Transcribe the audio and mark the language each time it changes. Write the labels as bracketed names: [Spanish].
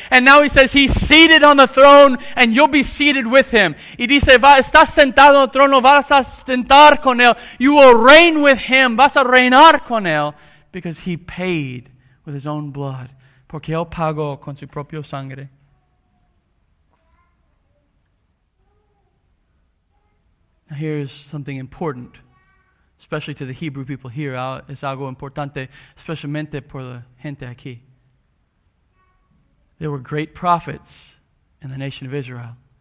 [English] And now He says He's seated on the throne and you'll be seated with Him. [Spanish] Y dice, va, estás sentado en el trono, vas a sentar con Él. [English] You will reign with Him, [Spanish] vas a reinar con Él. [English] Because He paid with His own blood. [Spanish] Porque Él pagó con su propio sangre. [English] Now here's something important, especially to the Hebrew people here. [Spanish] Es algo importante, especialmente por la gente aquí. [English] There were great prophets in the nation of Israel.